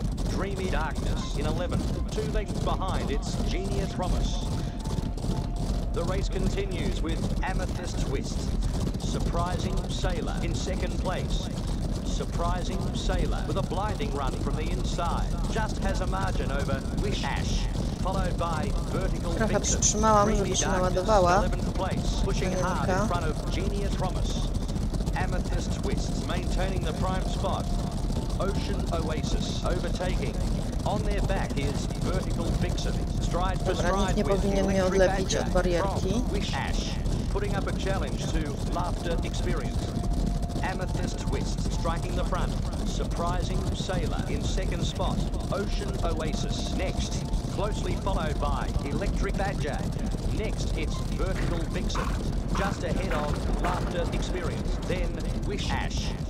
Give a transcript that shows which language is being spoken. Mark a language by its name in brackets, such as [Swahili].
[English] Dreamy Darkness in 11th, 2 lengths behind it's Genius Promise. The race continues with Amethyst Twist, Surprising Sailor in second place. Surprising Sailor with a blinding run from the inside, just has a margin over Wish Ash. Followed by vertical [Polish] trochę przytrzymałam, żeby się naładowała. [English] Pushing hard in front of Genius Promise. Amethyst Twist maintaining the prime spot. Ocean Oasis overtaking. On their back is Vertical Fixer. Stride for stride. [Polish] Dobra, nikt nie powinien mnie odlepić od barierki. [English] Putting up a challenge to Laughter Experience. Amethyst Twist striking the front. Surprising Sailor in second spot. Ocean Oasis next. Closely followed by Electric Badger. Next, it's Vertical Vixen. Just ahead of Laughter Experience. Then, Wish Ash.